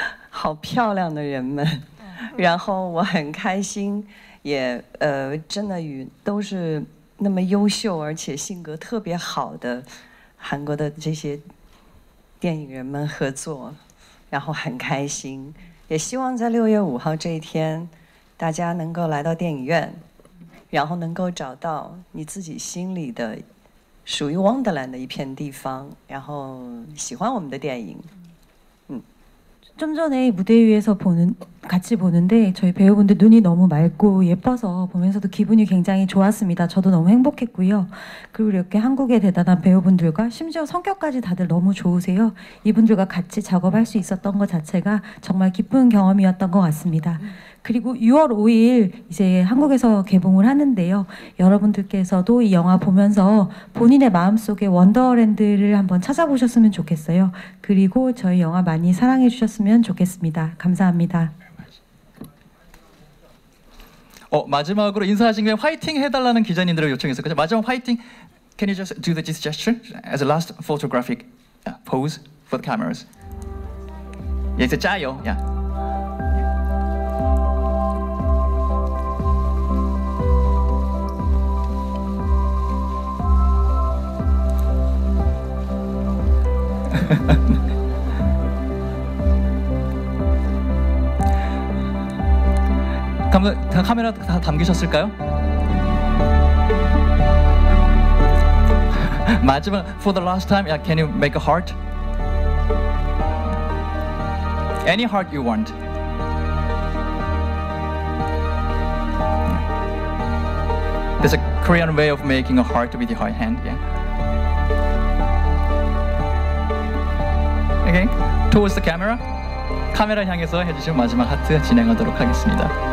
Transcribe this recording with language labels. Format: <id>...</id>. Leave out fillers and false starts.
<zh>好漂亮的人们，然后我很开心，也真的与都是那么优秀而且性格特别好的韩国的这些电影人们合作，然后很开心，也希望在6月5号这一天，大家能够来到电影院，然后能够找到你自己心里的属于 Wonderland 的一片地方，然后喜欢我们的电影。</zh> <ko>좀 전에 무대 위에서 보는 같이 보는데 저희 배우분들 눈이 너무 맑고 예뻐서 보면서도 기분이 굉장히 좋았습니다. 저도 너무 행복했고요. 그리고 이렇게 한국의 대단한 배우분들과 심지어 성격까지 다들 너무 좋으세요. 이분들과 같이 작업할 수 있었던 것 자체가 정말 기쁜 경험이었던 것 같습니다. 그리고 6월 5일 이제 한국에서 개봉을 하는데요. 여러분들께서도 이 영화 보면서 본인의 마음속에 원더랜드를 한번 찾아보셨으면 좋겠어요. 그리고 저희 영화 많이 사랑해 주셨으면 좋겠습니다. 감사합니다. 마지막으로 인사하신 김에 화이팅 해달라는 기자님들을 요청했어요. 마지막 화이팅.</ko> <en>Can you just do the this gesture as a last photographic pose for the cameras?</en> <ko>예, 이제 짜요. 야. 다 카메라 다 담기셨을까요? 마지막</ko> <en>for the last time, yeah, can you make a heart? Any heart you want.</en> <ko>네.</ko> <en>There's a Korean way of making a heart with your hand, yeah. Okay. Towards the camera.</en> <ko>카메라 향해서 해주신 마지막 하트 진행하도록 하겠습니다.</ko>